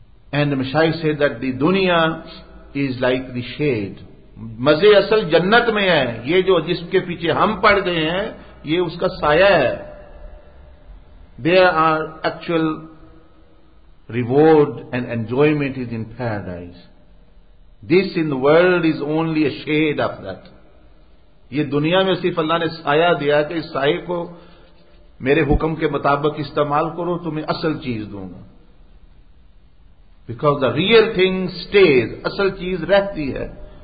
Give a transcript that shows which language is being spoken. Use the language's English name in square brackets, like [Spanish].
[English] And Mishai said that the dunya is like the shade. [Urdu] مزے اصل جنت میں ہے یہ جو جس کے پیچھے ہم پڑ گئے ہیں یہ اس کا سایہ ہے [English] There are actual reward and enjoyment is in paradise. This in the world is only a shade of that. [Urdu] یہ دنیا میں صرف اللہ نے سایہ دیا کہ اس سایہ کو میرے حکم کے مطابق استعمال کرو تمہیں اصل چیز دوں گا [English] Because the real thing stays, [Urdu] asal cheez rehti hai.